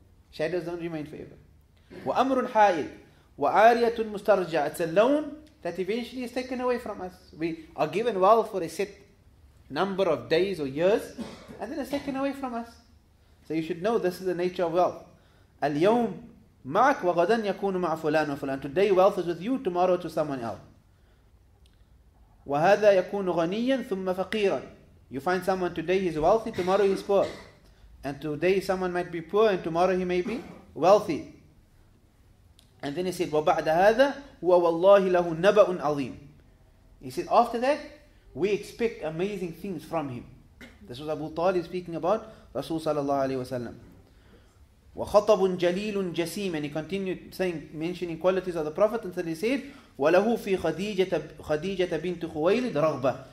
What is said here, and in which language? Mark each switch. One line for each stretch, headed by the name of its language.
English: Shadows don't remain forever.
Arabic: وَأَمْرٌ حَائِلٌ وَعَارِيَةٌ مُسْتَرْجَعَةٌ.
English: It's a loan that eventually is taken away from us. We are given wealth for a set number of days or years, and then it's taken away from us. So you should know this is the nature of wealth.
Arabic: اليوم معك وغدا يكون مع فلان وفلان.
English: Today wealth is with you, tomorrow to someone else.
Arabic: وهذا يكون غنيا ثم فقيرا.
English: You find someone today he's wealthy, tomorrow he's poor. And today someone might be poor and tomorrow he may be wealthy. And then he said,
Arabic: وبعد هذا هو والله له نبأ عظيم.
English: He said, after that, we expect amazing things from him. This was Abu Talib speaking about Rasul sallallahu alayhi wasallam.
Arabic: وخطب جليل جسيم.
English: And he continued saying, mentioning qualities of the Prophet, until he said,
Arabic: وله في خديجة بنت خويلد رغبة.